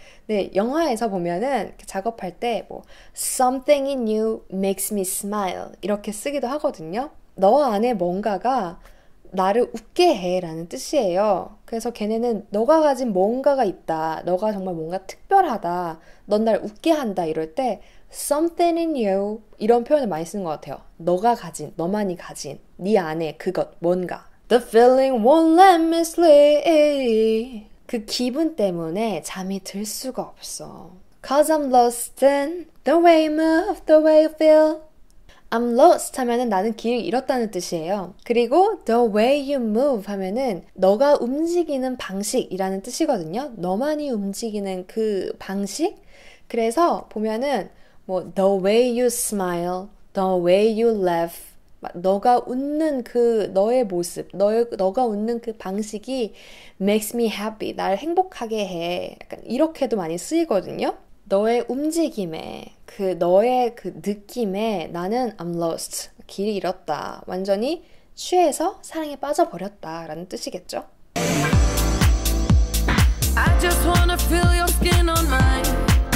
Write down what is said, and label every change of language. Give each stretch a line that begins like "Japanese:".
Korean: 네, 영화에서 보면은 작업할 때 뭐,
English: Something in you makes me smile.
Korean: 이렇게 쓰기도 하거든요. 너 안에 뭔가가 나를 웃게 해라는 뜻이에요. 그래서 걔네는 너가 가진 뭔가가 있다. 너가 정말 뭔가 특별하다. 넌날 웃게 한다. 이럴 때
English: Something in you.
Korean: 이런 표현을 많이 쓰는 것 같아요. 너가 가진, 너만이 가진, 네 안에 그것, 뭔가.
English: The feeling won't let me sleep.
Korean: 그 기분 때문에 잠이 들 수가 없어.
English: Cause I'm lost in the way you move, the way you feel.
Korean: I'm lost 하면은 나는 길을 잃었다는 뜻이에요. 그리고 the way you move 하면은 너가 움직이는 방식이라는 뜻이거든요. 너만이 움직이는 그 방식? 그래서 보면은 뭐 the way you smile, the way you laugh. 너가 웃는 그 너의 모습, 너가 웃는 그 방식이
English: makes me happy,
Korean: 날 행복하게 해. 약간 이렇게도 많이 쓰이거든요. 너의 움직임에, 그 너의 그 느낌에 나는
English: I'm lost,
Korean: 길을 잃었다. 완전히 취해서 사랑에 빠져버렸다라는 뜻이겠죠.
English: I just wanna feel your skin on mine.